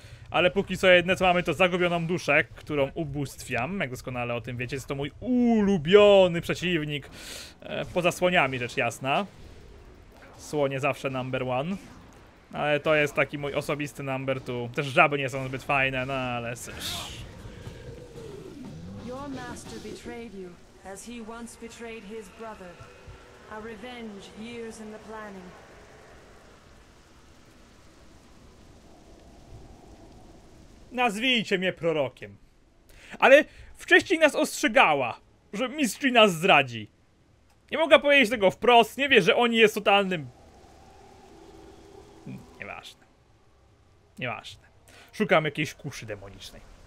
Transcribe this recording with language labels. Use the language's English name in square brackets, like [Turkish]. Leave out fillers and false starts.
[Polish] Ale póki co jedne, co mamy, to zagubioną duszę, którą ubóstwiam, jak doskonale o tym wiecie, jest to mój ulubiony przeciwnik, poza słoniami, rzecz jasna. Słonie zawsze [English] number one. [Polish] Ale to jest taki mój osobisty [English] number two. [Polish] Też żaby nie są zbyt fajne, no ale cóż. [English] Your master betrayed you, as he once betrayed his brother. A revenge years in the planning. [Polish] Nazwijcie mnie prorokiem. Ale wcześniej nas ostrzegała, że Mistrz nas zdradzi. Nie mogę powiedzieć tego wprost, nie wie, że oni jest totalnym... Nieważne. Nieważne. Szukam jakiejś kuszy demonicznej.